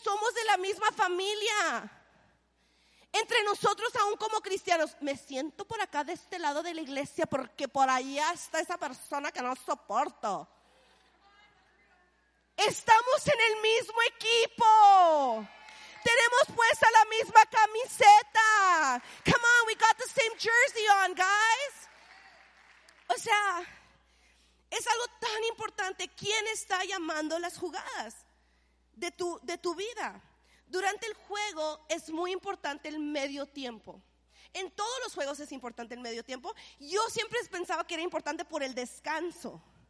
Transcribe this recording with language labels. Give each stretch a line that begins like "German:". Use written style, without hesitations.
Spanish: Somos de la misma familia. Entre nosotros, aún como cristianos, me siento por acá de este lado de la iglesia porque por allá está esa persona que no soporto. Estamos en el mismo equipo. Tenemos puesta la misma camiseta.
English: Come on, we got the same jersey on, guys.
Spanish: O sea, es algo tan importante. ¿Quién está llamando las jugadas de tu vida? Durante el juego es muy importante el medio tiempo. En todos los juegos es importante el medio tiempo. Yo siempre pensaba que era importante por el descanso.